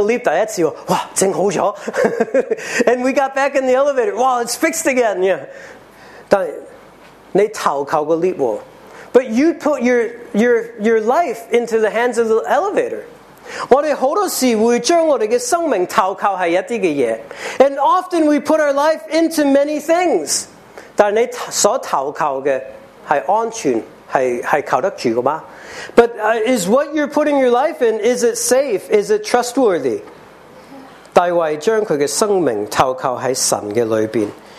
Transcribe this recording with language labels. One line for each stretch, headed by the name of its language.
Chinese: 我们星期五下午吃了饭,入了个lift第一次,哇,整好了.
English: And we got back in the elevator, wow, it's fixed again. Yeah.
Chinese: 但你投靠个lift哦.
English: But you put your life into the hands of the elevator.
Chinese: 我们很多时会将我们的生命投靠在一些东西.
English: And often we put our life into many things.
Chinese: 但你所投靠的是安全，是靠得住的吗？
English: But is what you're putting your life in, is it safe? Is it trustworthy?
Chinese: 大卫将他的生命投靠在神的里面.